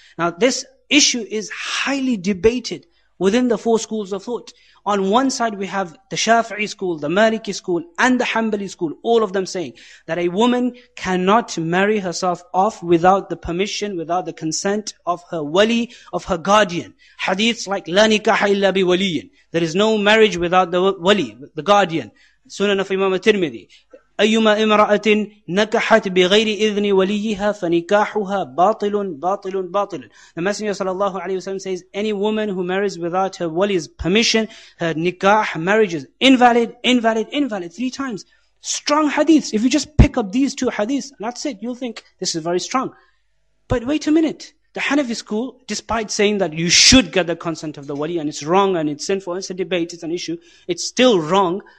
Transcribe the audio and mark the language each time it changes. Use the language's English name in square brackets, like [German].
[English] Now, this issue is highly debated within the four schools of thought. On one side, we have the Shafi'i school, the Maliki school, and the Hanbali school, all of them saying that a woman cannot marry herself off without the permission, without the consent of her wali, of her guardian. Hadiths like, [Arabic] لا نكاح إلا بوليين. [English] There is no marriage without the wali, the guardian. Sunan of Imam al-Tirmidhi. [Arabic] أيما امرأة نكحت بغير إذن وليها فنكاحها باطل باطل باطل. [English] The Messenger [Arabic] صلى الله عليه وسلم [English] says, any woman who marries without her wali's permission, her nikah, marriage is invalid, invalid, invalid, 3 times. Strong hadiths. If you just pick up these 2 hadiths, that's it. You'll think this is very strong. But wait a minute. The Hanafi school, despite saying that you should get the consent of the wali and it's wrong and it's sinful, it's a debate, it's an issue, it's still wrong.